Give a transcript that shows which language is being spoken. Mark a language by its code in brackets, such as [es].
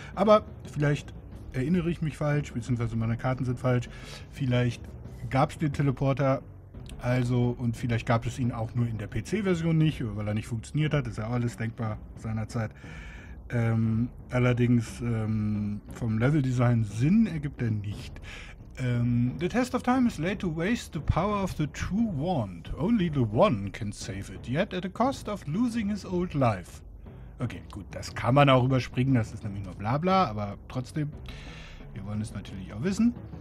[de] Aber vielleicht... erinnere ich mich falsch, beziehungsweise meine Karten sind falsch. Vielleicht gab es den Teleporter, also und vielleicht gab es ihn auch nur in der PC-Version nicht, weil er nicht funktioniert hat. Ist ja alles denkbar seinerzeit. Allerdings vom Level-Design Sinn ergibt er nicht. [en] The test of time is laid to waste the power of the true wand. Only the one can save it, yet at the cost of losing his old life. [de] Okay, gut, das kann man auch überspringen, das ist nämlich nur Blabla, aber trotzdem, wir wollen es natürlich auch wissen.